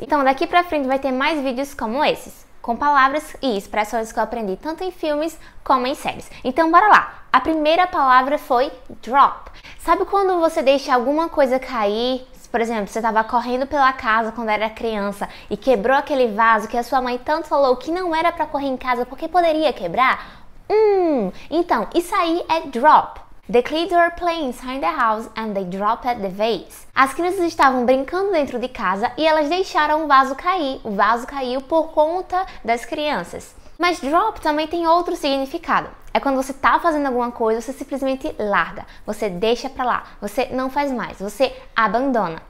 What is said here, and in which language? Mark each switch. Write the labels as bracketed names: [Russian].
[Portuguese] Então, daqui pra frente vai ter mais vídeos como esses, com palavras e expressões que eu aprendi tanto em filmes como em séries. Então, bora lá! A primeira palavra foi drop. Sabe quando você deixa alguma coisa cair? Por exemplo, você estava correndo pela casa quando era criança e quebrou aquele vaso que a sua mãe tanto falou que não era para correr em casa porque poderia quebrar? Então, isso aí é drop. [English] The kids were playing inside the house and they dropped the vase. [Portuguese] As crianças estavam brincando dentro de casa e elas deixaram o vaso cair. O vaso caiu por conta das crianças. Mas drop também tem outro significado. É quando você tá fazendo alguma coisa, você simplesmente larga. Você deixa pra lá. Você não faz mais. Você abandona.